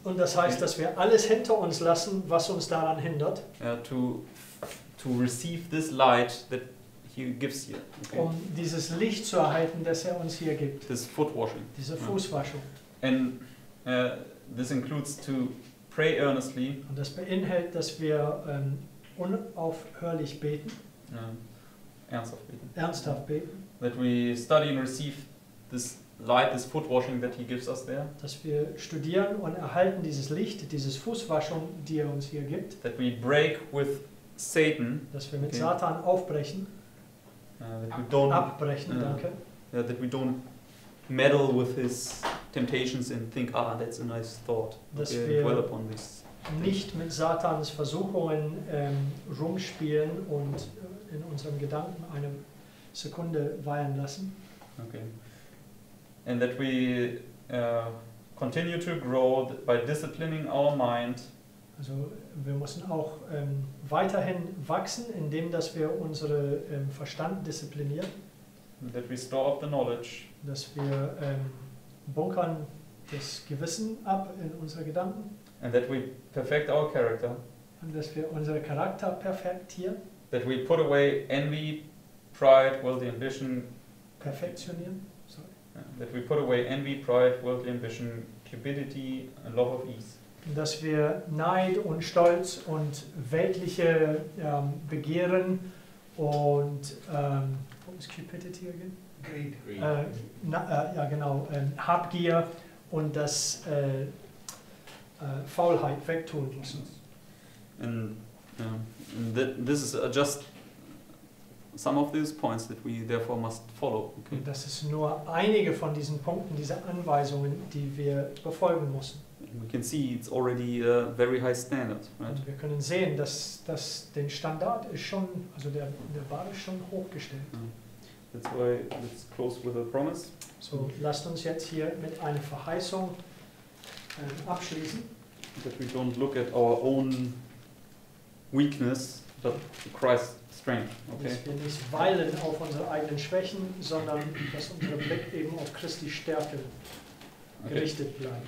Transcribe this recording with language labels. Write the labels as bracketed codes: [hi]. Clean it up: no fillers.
[de] Und das heißt, dass wir alles hinter uns lassen, was uns daran hindert. [en] To receive this light that he gives here. Okay. [de] Um dieses Licht zu erhalten, das uns hier gibt. [en] This foot washing. [de] Diese Fußwaschung. [en] And this includes to pray earnestly. [de] Und das beinhaltet, dass wir unaufhörlich beten. Ernsthaft beten. Ernsthaft beten. [en] That we study and receive this light, this foot washing that he gives us there. [de] Dass wir studieren und erhalten dieses Licht, dieses Fußwaschung, die uns hier gibt. [en] That we break with Satan, [de] dass wir mit Satan aufbrechen, abbrechen, danke. [en] Yeah, that we don't meddle with his temptations and think, ah, that's a nice thought. [de] Dass wir [en] dwell upon this [de] nicht mit Satans Versuchungen rumspielen und in unserem Gedanken eine Sekunde weilen lassen. [en] Okay. And that we continue to grow by disciplining our mind. [de] Also wir müssen auch weiterhin wachsen, indem dass wir unsere Verstand disziplinieren. [en] That we store up the knowledge. [de] Dass wir bunkern das Gewissen ab in unsere Gedanken. [en] And that we perfect our character. [de] Und dass wir unseren Charakter perfektieren. [en] That we put away envy, pride, worldly ambition. [de] Perfektionieren. [en] That we put away envy, pride, worldly ambition, cupidity, and love of ease. [de] Dass wir Neid und Stolz und weltliche Begehren und what was cupidity again? [en] Greed. [de] Habgier und das Faulheit wegtun lassen. [en] And this is just some of these points that we therefore must follow. Okay. [de] Das ist nur einige von diesen Punkten, diese Anweisungen, die wir befolgen müssen. [en] We can see it's already a very high standard, right? [de] Wir können sehen, dass das den Standard ist schon, also der Bar ist schon hochgestellt. [en] That's why let's close with a promise. [de] So, lasst uns jetzt hier mit einer Verheißung abschließen. [en] That we don't look at our own weakness, but Christ. [de] Dass wir nicht weilen auf unsere eigenen Schwächen, sondern dass unser Blick eben auf Christi Stärke gerichtet bleibt.